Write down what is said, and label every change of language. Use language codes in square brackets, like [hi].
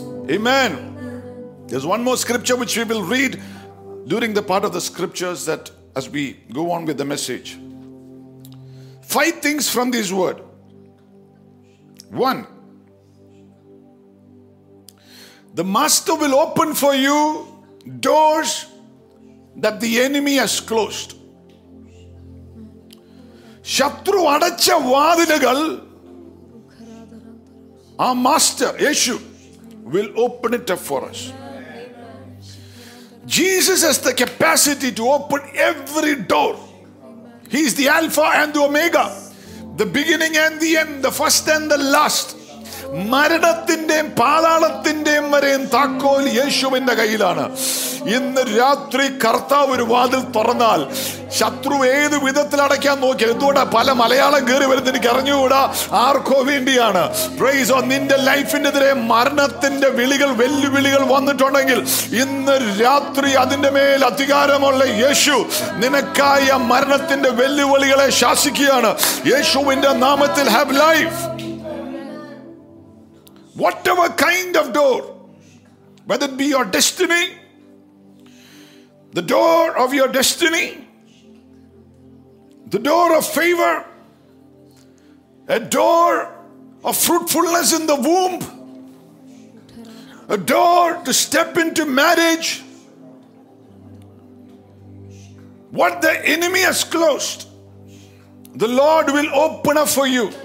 [en] Amen. There's one more scripture which we will read during the part of the scriptures that as we go on with the message. Five things from this word. One, the master will open for you doors that the enemy has closed. [ml] ശത്രു അടച്ച വാതിലുകൾ ആ master Yeshu [en] will open it up for us. Jesus has the capacity to open every door. He is the Alpha and the Omega, the beginning and the end, the first and the last. [ml] മരണത്തിന്റെയും പാതാളത്തിന്റെയും വരെയും താക്കോൽ യേശുവിന്റെ കയ്യിലാണ്. ഇന്ന് രാത്രി കർത്താവ് ഒരു വാതിൽ തുറന്നാൽ ശത്രു ഏത് വിധത്തിൽ അടയ്ക്കാൻ നോക്കി എന്തുകൂടെ പല മലയാളം കയറി വരുന്നതിന് കരഞ്ഞുകൂടാ. ആർക്കോ വേണ്ടിയാണ്? Price on. നിന്റെ ലൈഫിനെതിരെ മരണത്തിന്റെ വിളികൾ, വെല്ലുവിളികൾ വന്നിട്ടുണ്ടെങ്കിൽ ഇന്ന് രാത്രി അതിന്റെ മേൽ അധികാരമുള്ള യേശു നിനക്കായ മരണത്തിന്റെ വെല്ലുവിളികളെ ശാസിക്കുകയാണ്. യേശുവിന്റെ നാമത്തിൽ [en] Have life. Whatever kind of door, whether it be your destiny, the door of your destiny, the door of favor, a door of fruitfulness in the womb, a door to step into marriage, what the enemy has closed, the Lord will open up for you.